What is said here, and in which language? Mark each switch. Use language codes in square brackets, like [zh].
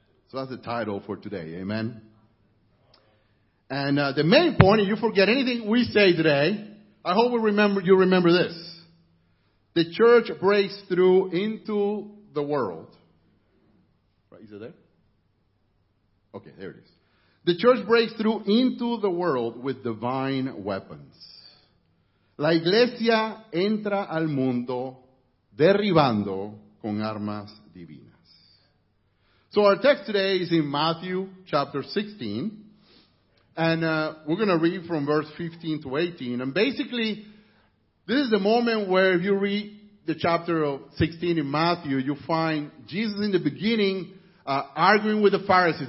[en] So that's the title for today. Amen. And the main point, if you forget anything we say today, I hope you remember this. The church breaks through into the world. Right, is it there? Okay, there it is. The church breaks through into the world with divine weapons. [es] La iglesia entra al mundo derribando con armas divinas. [en] So our text today is in Matthew chapter 16. And we're going to read from verse 15 to 18. And basically, this is the moment where if you read the chapter of 16 in Matthew, you find Jesus in the beginning arguing with the Pharisees.